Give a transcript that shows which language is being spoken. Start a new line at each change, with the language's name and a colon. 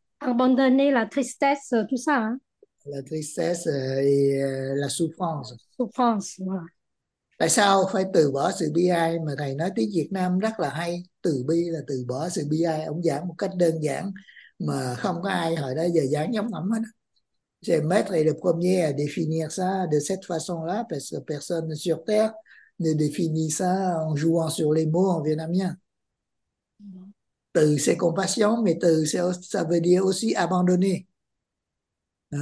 French: Abandonner la tristesse, tout ça. tristesse, là souffrance. Souffrance.
Vietnamese: Tại sao phải từ bỏ sự bi ai? Mà thầy nói tiếng Việt Nam rất là hay, từ bi là từ bỏ sự bi ai. Ông giảng một cách đơn giản mà không có ai hồi đó giờ giảng nhóm ngẫm hết.
French: C'est maître le premier à définir ça de cette façon-là, parce que personne sur terre ne définit ça en jouant sur les mots en vietnamien. Từ c'est compassion, mais từ c'est, ça veut dire aussi abandonner. Hein?